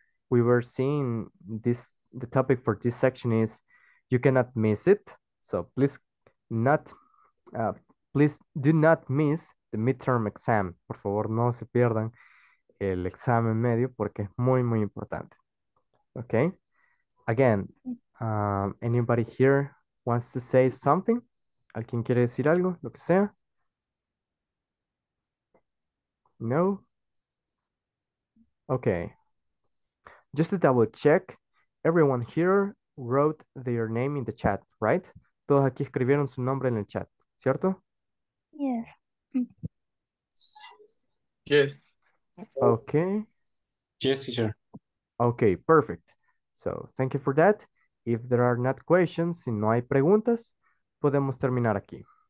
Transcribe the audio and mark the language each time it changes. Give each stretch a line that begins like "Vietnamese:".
English: We were seeing this, the topic for this section is you cannot miss it. So please not, please do not miss the midterm exam.
Spanish: Por favor, no se pierdan el examen medio porque es muy, muy importante.
English: Okay. Again, anybody here wants to say something?
Spanish: ¿Alguien quiere decir algo? Lo que sea.
English: No. Okay. Just to double check, everyone here wrote their name in the chat, right?
Spanish: Todos aquí escribieron su nombre en el chat, ¿cierto?
English: Yes. Yes. Okay. Yes, teacher. Okay, perfect. So, thank you for that. If there are not questions,
Spanish: si no hay preguntas, podemos terminar aquí.